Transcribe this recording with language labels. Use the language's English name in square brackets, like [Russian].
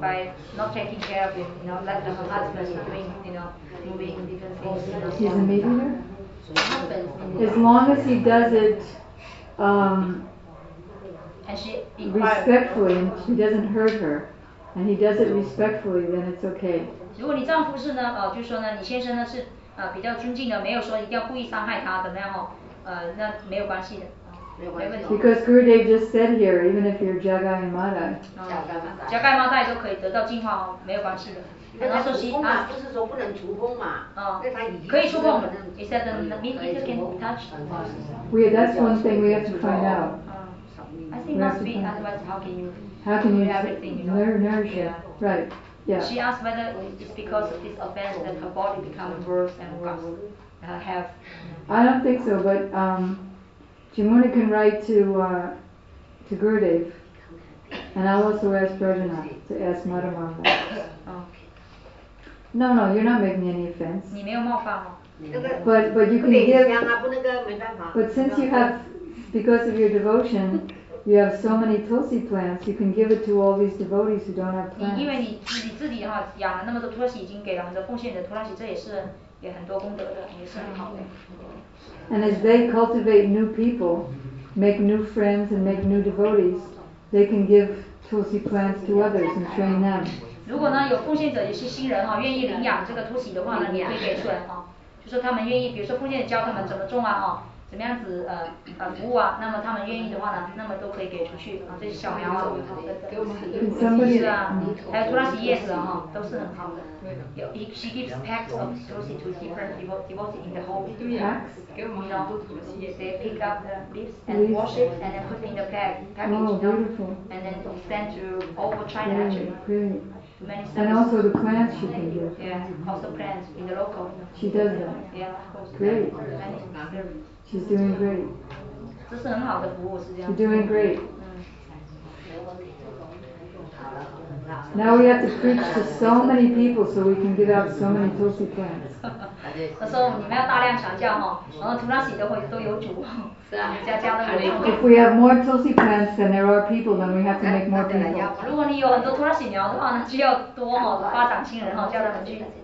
[English] By not taking care of him, you know, let her husband doing, you know, moving in different things. He's a meat eater? Husband. As long as he does it, and she respectfully, and she doesn't hurt her. And he does it respectfully, then it's okay. [Chinese] 如果你丈夫是呢，就是说呢，你先生呢是比较尊敬的，没有说一定要故意伤害他怎么样哦，那没有关系的，没问题。 [English] Because Gurudev just said here, even if you're Jagai Mata, [Chinese] Jagai Mata 都可以得到净化哦，没有关系的。那他触碰嘛，不是说不能触碰嘛？啊，那他已经可以触碰。 [English] He said the meat can touch. Well, that's one thing we have to find out. I think must be, otherwise how can you? How can you do everything, you know? Nourish, yeah. Right, yeah. She asked whether it's because of this offense that her body becomes worse and worse, health. I don't think so, but Jimuna can write to Gurudev, and I'll also ask Prajana to ask Mother Mom that. Okay. No, you're not making any offense. [Chinese] 你没有冒犯哦。 [English] But you can give... [Chinese] 不能啊，不能啊，没办法。 [English] But since you have, because of your devotion,You have so many tulsi plants, you can give it to all these devotees who don't have plants. [Chinese] 因为你自己哈养了那么多 tulsi 已经给了很多奉献的 tulsi 这也是也很多功德的，也是很好的。 [English] And as they cultivate new people, make new friends and make new devotees, they can give tulsi plants to others and train them. [Chinese] 如果呢有奉献者也是新人哈，愿意领养这个 tulsi 的话呢，你可以给出来哈，就是他们愿意，比如说奉献者教他们怎么种啊哈。怎么样子服务啊？那么他们愿意的话呢，那么都可以给出去啊，这些小苗啊，给我们是啊，还有土拉西叶子啊，都是很好的。 [English] 有 ，she gives packs of tulsi to different devotees in the home. Packs. [Chinese] 给我们好多土拉西叶子。 [English] They pick up the leaves and wash it and then put in the bag, package, you know, and then send to all over China actually. And also the plants she can give. Yeah, also plants in the local. She does that. Yeah, of course. Great. She's doing great. [Chinese] 这是很好的服务，是这样。 [English] She's doing great. 嗯。 Now we have to preach to so many people so we can give out so many tulsi plants. [Chinese] 那时候你们要大量传教哈，然后土拉西都会都有主。是啊。家家都有。 [English] If we have more tulsi plants than there are people, then we have to make more people. [Chinese] 如果你有很多土拉西苗的话，那就要多哈发展新人哈，叫他们去。